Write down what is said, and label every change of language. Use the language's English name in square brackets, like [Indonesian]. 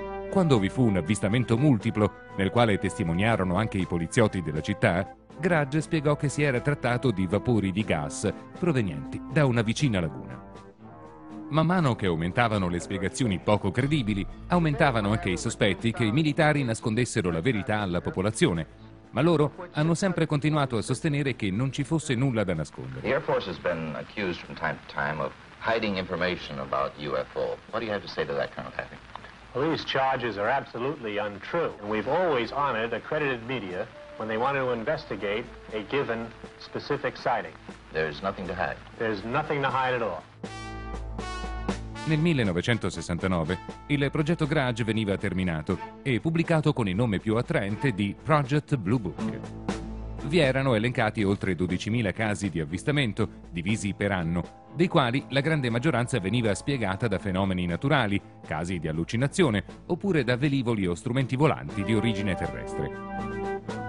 [Italian] Quando vi fu un avvistamento multiplo, nel quale testimoniarono anche i poliziotti della città, Grudge spiegò che si era trattato di vapori di gas provenienti da una vicina laguna. Man mano che aumentavano le spiegazioni poco credibili, aumentavano anche i sospetti che i militari nascondessero la verità alla popolazione, ma loro hanno sempre continuato a sostenere che non ci fosse nulla da nascondere. [English] The Air Force has been accused from time to time of hiding information about UFO. What do you have to say to that, Colonel Taffy? Well, these charges are absolutely untrue. We've always honored accredited media when they wanted to investigate a given specific sighting. There's nothing to hide. There's nothing to hide at all. [Italian] Nel 1969 il progetto Grudge veniva terminato e pubblicato con il nome più attraente di Project Blue Book. Vi erano elencati oltre 12.000 casi di avvistamento, divisi per anno, dei quali la grande maggioranza veniva spiegata da fenomeni naturali, casi di allucinazione, oppure da velivoli o strumenti volanti di origine terrestre.